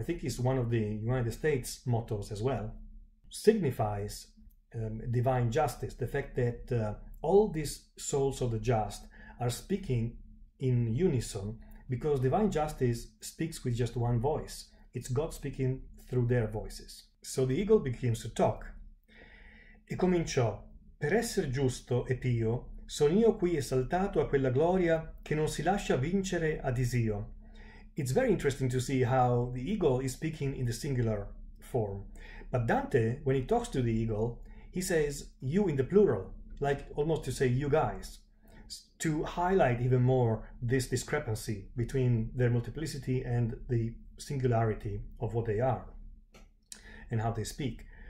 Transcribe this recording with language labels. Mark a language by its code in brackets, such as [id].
[en] I think it's one of the United States mottos as well. Signifies divine justice, the fact that all these souls of the just are speaking in unison, because divine justice speaks with just one voice. It's God speaking through their voices. So the eagle begins to talk. [it] E cominciò, per essere giusto e pio, son io qui esaltato a quella gloria che non si lascia vincere a disio. [en] It's very interesting to see how the eagle is speaking in the singular form. But Dante, when he talks to the eagle, he says you in the plural, like almost to say you guys, to highlight even more this discrepancy between their multiplicity and the singularity of what they are and how they speak.